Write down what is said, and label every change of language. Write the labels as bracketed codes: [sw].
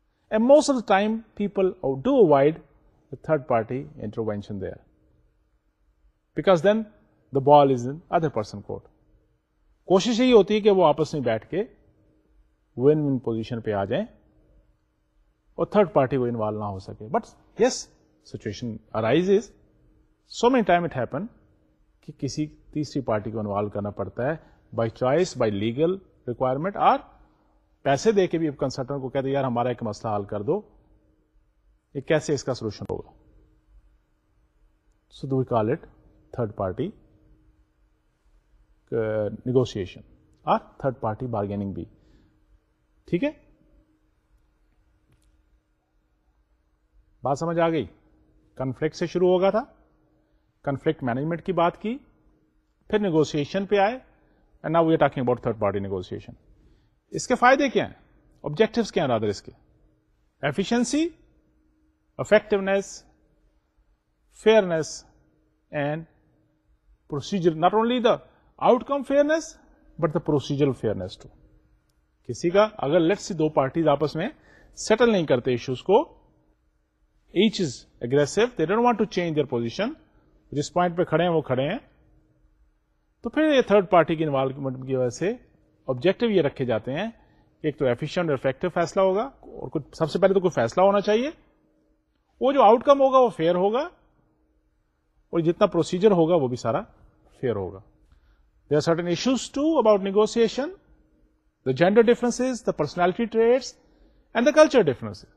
[en] And most of the time people do avoid the third party intervention there, because then the ball is in other person court. [ur] کوشش یہی ہوتی ہے کہ وہ آپس میں بیٹھ کے ون ون پوزیشن پہ آ جائیں اور تھرڈ پارٹی وہ انوالو نہ ہو سکے. [en] but yes, situation arise as so many time it happen [ur] کہ کسی تیسری پارٹی کو انوالو کرنا پڑتا ہے [en] by choice, by legal requirement, [ur] اور پیسے دے کے بھی کنسلٹنٹ کو کہتے ہیں یار ہمارا ایک مسئلہ حل کر دو, یہ کیسے اس کا سولوشن ہوگا. [en] So we call it third party negotiation اور third party bargaining بھی. [ur] ٹھیک ہے, بات سمجھ آ گئی. کنفلکٹ سے شروع ہوگا تھا, کنفلکٹ مینجمنٹ کی بات کی, پھر نیگوسیشن پہ آئے [en] And now we are talking about third party negotiation. [ur] اس کے فائدے کیا ہیں؟ Objectives کیا ہیں رادر اس کے؟ [en] Efficiency, effectiveness, fairness and procedure. Not only the outcome fairness but the procedural fairness too. [ur] کسی کا اگر [en] let's see [ur] دو parties آپس میں settle نہیں کرتے issues کو, [en] each is aggressive, they don't want to change their position, [ur] جس point پہ کھڑے ہیں وہ کھڑے ہیں, تو پھر یہ تھرڈ پارٹی کی انوالومنٹ کی وجہ سے آبجیکٹو یہ رکھے جاتے ہیں کہ ایک تو ایفیشینٹ اور افیکٹو فیصلہ ہوگا, اور کچھ سب سے پہلے تو کوئی فیصلہ ہونا چاہیے, وہ جو آؤٹ کم ہوگا وہ فیئر ہوگا, اور جتنا پروسیجر ہوگا وہ بھی سارا فیئر ہوگا. [en] There are certain issues to about negotiation, the gender differences, the personality traits and the culture difference.